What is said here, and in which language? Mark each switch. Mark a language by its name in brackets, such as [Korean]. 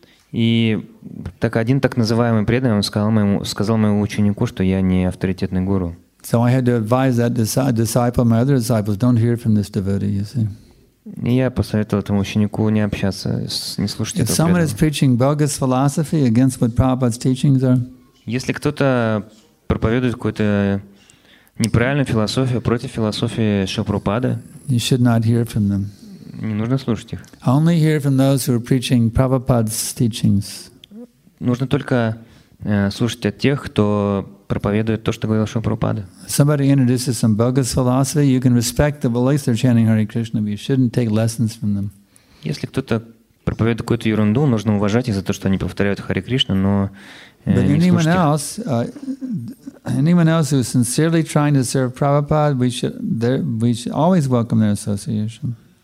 [Russian] И так один так называемый преданный, он сказал моему ученику, что я не авторитетный гуру. [English] So I had to advise that disciple, my other disciples, don't hear from this devotee, you see. [Russian] Я посоветовал этому ученику не общаться, не слушать этого. [English] If someone is preaching bogus philosophy against what Prabhupada's teachings are, [Russian] если кто-то проповедует какую-то неправильную философию против философии Шрилы, [English] you should not hear from them. [Russian] Не нужно слушать их. [English] Only hear from those who are preaching Prabhupada's teachings. [Russian] Нужно только слушать от тех, кто проповедует то, что говорил Шрила Прабхупада. [English] Somebody introduces some bogus philosophy, you can respect the beliefs they're chanting Hare Krishna, but you shouldn't take lessons from them. [Russian] Если кто-то проповедует какую-то ерунду, нужно уважать их за то, что они повторяют Харе Кришну, но [English] anyone else who is sincerely trying to serve Prabhupada, we should always welcome their association.